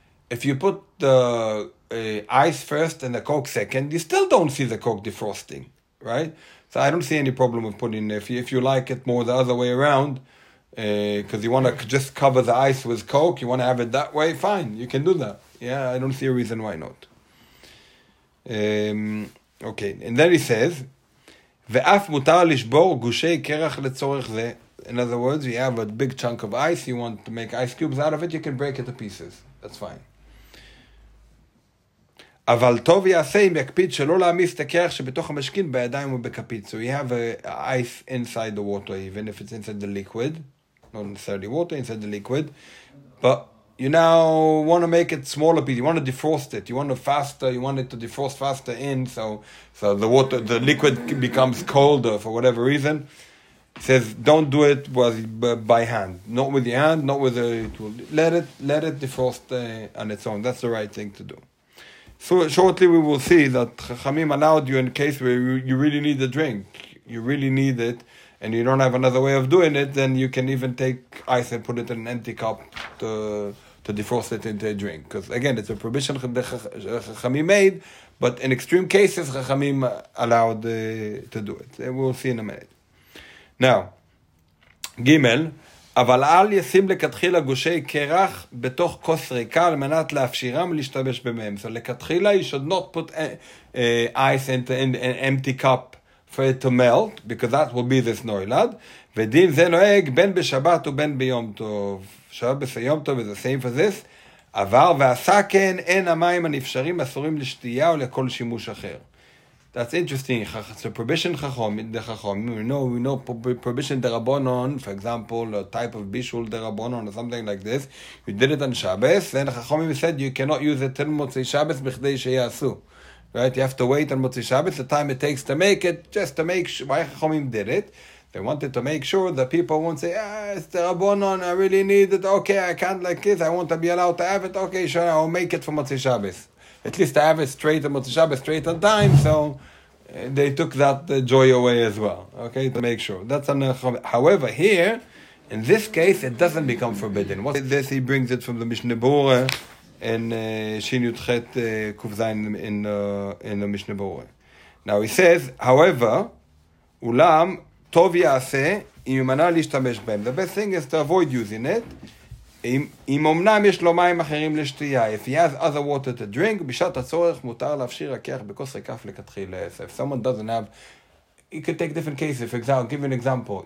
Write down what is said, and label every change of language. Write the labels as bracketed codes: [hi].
[en] if you put the ice first and the Coke second, you still don't see the Coke defrosting, right? So I don't see any problem with putting it. If you like it more the other way around, because you want to just cover the ice with Coke, you want to have it that way, fine, you can do that. Yeah, I don't see a reason why not. Okay, and then he says, [he] ואף מותר לשבור גושי קרח לצורך זה. [en] In other words, you have a big chunk of ice, you want to make ice cubes out of it, you can break it to pieces. That's fine. [he] אבל טוב יעשה אם יקפיד שלא להמיס את הקרח שבתוך המשקין בידיים ובכפית. [en] So you have ice inside the water, even if it's inside the liquid. Not necessarily water, inside the liquid. But you now want to make it smaller piece. You want to defrost it. You want to faster. You want it to defrost faster in. So the water, the liquid becomes colder for whatever reason. It says, don't do it by hand. Not with your hand, not with a tool. Let it defrost on its own. That's the right thing to do. So shortly we will see that Chachamim allowed you in a case where you really need the drink. You really need it. And you don't have another way of doing it, then you can even take ice and put it in an empty cup to defrost it into a drink. Because again, it's a prohibition Chachamim made, but in extreme cases, Chachamim allowed to do it. We'll see in a minute. [he] Now, Gimel, אבל אל ישים לכתחילה גושי קרח בתוך כוס ריקה על מנת להפשירם להשתמש במהם. [en] So לכתחילה, you should not put ice into an empty cup for it to melt, because that will be this noilad. [he] ודין זה נוהג בין בשבת ובין ביום טוב. [en] שבת ביום טוב is the same for this. [he] עבר ועשה כן, אין המים הנפשרים אסורים לשתייה או לכל שימוש אחר. [en] That's interesting. So prohibition chachom, the chachom. We know prohibition derabonon, for example, a type of bishul derabonon or something like this. You did it on Shabbos, then chachomim said you cannot use it till Motzei Shabbos b'chdei sheyasu. Right, you have to wait on Motzei Shabbos, the time it takes to make it, just to make sure. Why chachomim did it? They wanted to make sure that people won't say, it's derabonon. I really need it. Okay, I can't like this. I won't be allowed to have it. Okay, sure, I'll make it for Motzei Shabbos. At least I have it straight on Motzei Shabbos, straight on time. So they took that joy away as well. Okay, to make sure. That's on however, here, in this case, it doesn't become forbidden. What is this? He brings it from the Mishneh Berurah and Shin Yudchet Kuf Zayin in the Mishneh Berurah. Now he says, however, [he] Ulam, Tov Yaseh, Im Yimana Lishtamesh Bem. [en] The best thing is to avoid using it. [he] אם אמנם יש לו מים אחרים לשתייה, [en] if he has other water to drink, [he] בשעת הצורך מותר להפשיר הקרח בכוס ריקה לכתחילה. [en] So if someone doesn't have, you could take different cases. For example, I'll give you an example.